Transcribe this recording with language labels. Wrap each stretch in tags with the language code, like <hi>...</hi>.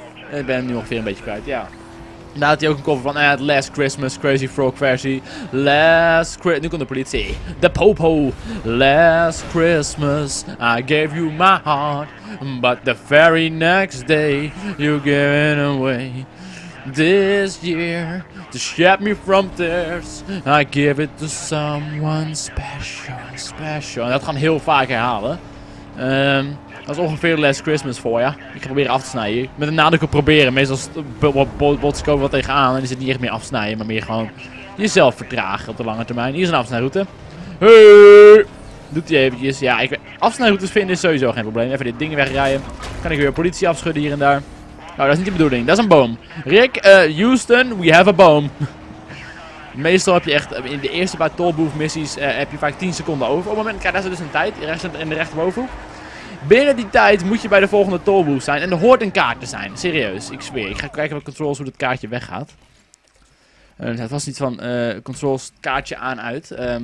<nl>Ik ben hem nu ongeveer een beetje kwijt, ja. Daar had hij ook een cover van Last Christmas Crazy Frog versie. Nu komt de politie. De popo.</nl> <en>Last Christmas I gave you my heart, but the very next day you gave it away. This year, to shed me from tears, I give it to someone special.</en> <nl>En dat gaan we heel vaak herhalen. Dat is ongeveer Last Christmas voor je. Ik ga proberen af te snijden. Met een nadruk op proberen. Meestal botsen komen wat tegenaan en is het niet echt meer afsnijden, maar meer gewoon jezelf vertragen op de lange termijn. Hier is een afsnijroute. Hey! Doet hij eventjes. Ja, ik weet, afsnijroutes vinden is sowieso geen probleem. Even dit ding wegrijden. Kan ik weer politie afschudden hier en daar. Nou, dat is niet de bedoeling. Dat is een boom.</nl> <en>Rick, Houston, we have a boom.</en> <nl>Meestal heb je echt, in de eerste paar tollbooth missies heb je vaak 10 seconden over. Op het moment, kijk, daar is dus een tijd, in de rechterbovenhoek. Binnen die tijd moet je bij de volgende tollbooth zijn en er hoort een kaart te zijn. Serieus, ik zweer. Ik ga kijken wat controls hoe dat kaartje weggaat. Het was niet van controls kaartje aan uit.</nl>